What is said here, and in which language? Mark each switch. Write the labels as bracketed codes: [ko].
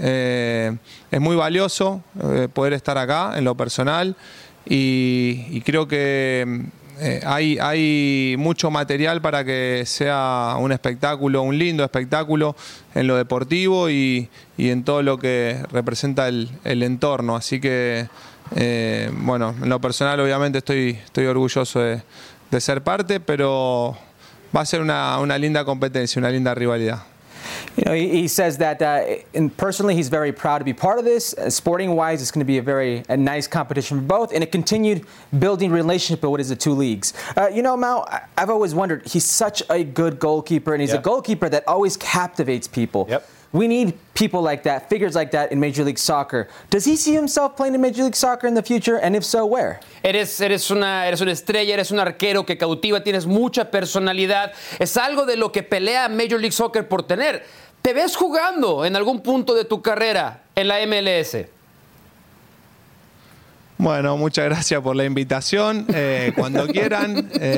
[es] Es muy valioso poder estar acá en lo personal y creo que hay mucho material para que sea un espectáculo, un lindo espectáculo en lo deportivo y en todo lo que representa el entorno. Así que, bueno, en lo personal obviamente estoy orgulloso de ser parte, pero va a ser una linda competencia, una linda rivalidad. [en] You know, he says that and personally he's very proud to be part of this. Sporting-wise, it's going to be a very nice competition for both and a continued building relationship of what is the two leagues. You know, Mau, I've always wondered, he's such a good goalkeeper, and he's a goalkeeper that always captivates people. Yep. We need people like that, figures like that in Major League Soccer. Does he see himself playing in Major League Soccer in the future? And if so, where? [es] Eres una estrella, eres un arquero que cautiva, tienes mucha personalidad. Es algo de lo que pelea Major League Soccer por tener. ¿Te ves jugando en algún punto de tu carrera en la MLS? Bueno, muchas gracias por la invitación. Cuando quieran.